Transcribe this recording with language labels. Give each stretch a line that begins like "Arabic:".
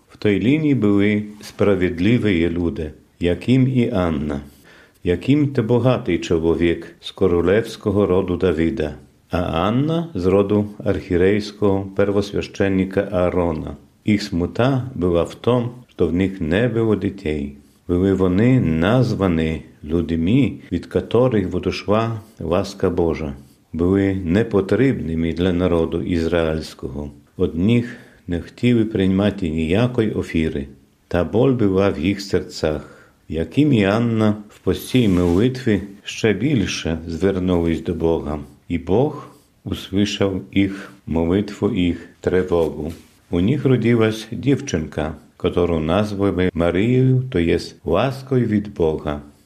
Ukrainian: В той лінії були справедливі люди, яким і Анна, яким ти богатий чоловік з королевського роду Давида, а Анна з роду архірейського первосвященника Аарона. Їх смута була в тому,
Russian: что в них не было детей. Были они названы людьми, от которых вдошла ласка Божа. Были непотребными для народу израильского. От них не хотели принимать никакой офиры. Та боль была в их сердцах.
Ukrainian: Яким и Анна в постій молитві ще більше звернулись до Бога, і Бог услышав їх молитву, їх тривогу. У них родилась дівчинка, яку назвали Марією, то є ласкою від Бога.